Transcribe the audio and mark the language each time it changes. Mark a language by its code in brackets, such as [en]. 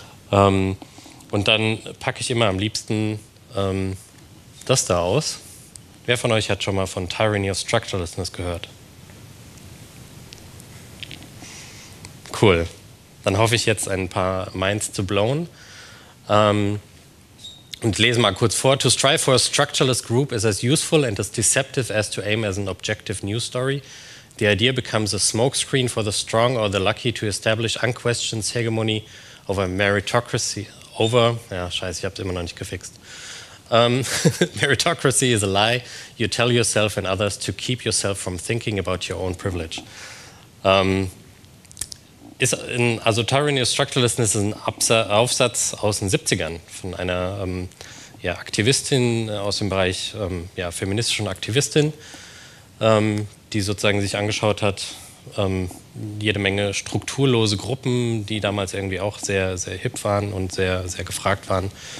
[de] Und dann packe ich immer am liebsten das da aus. Wer von euch hat schon mal von Tyranny of Structurelessness gehört? Cool. Dann hoffe ich jetzt ein paar Minds zu blown. Und lese mal kurz vor. [en] To strive for a structureless group is as useful and as deceptive as to aim as an objective news story. The idea becomes a smokescreen for the strong or the lucky to establish unquestioned hegemony over meritocracy. [de] Ich hab's immer noch nicht gefixt. [en] Meritocracy is a lie you tell yourself and others to keep yourself from thinking about your own privilege. [de] Tyranny of Structurelessness ist ein Aufsatz aus den 70ern von einer Aktivistin aus dem Bereich feministischen Aktivistin, die sozusagen sich angeschaut hat, jede Menge strukturlose Gruppen, die damals irgendwie auch sehr, sehr hip waren und sehr, sehr gefragt waren.